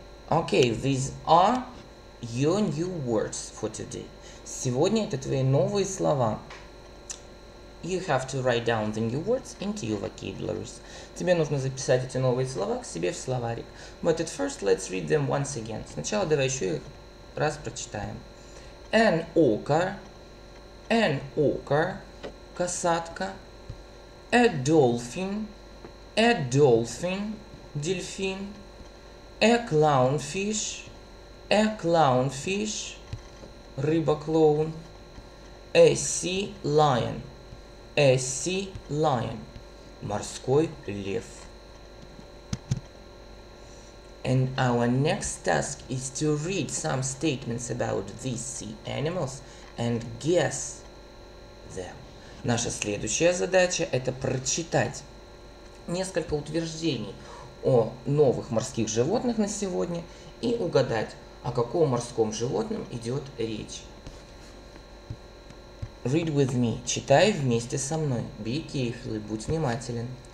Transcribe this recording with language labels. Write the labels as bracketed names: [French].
[English] Okay, these are your new words for today. [Russian] Сегодня это твои новые слова. [English] You have to write down the new words into your vocabularies. [Russian] Тебе нужно записать эти новые слова к себе в словарик. [English] But at first, let's read them once again. [Russian] Сначала давай еще их раз прочитаем. [English] An ochre. An ochre. Касатка. A dolphin. A dolphin. Дельфин. A clownfish. A clownfish. Рыба-клоун. A sea lion. A sea lion. [Russian] Морской лев. [English] And our next task is to read some statements about these sea animals and guess them. [Russian] Наша следующая задача – это прочитать несколько утверждений о новых морских животных на сегодня и угадать, о каком морском животном идет речь. [English] Read with me. [Russian] Читай вместе со мной. [English] Be careful. [Russian] Будь внимателен.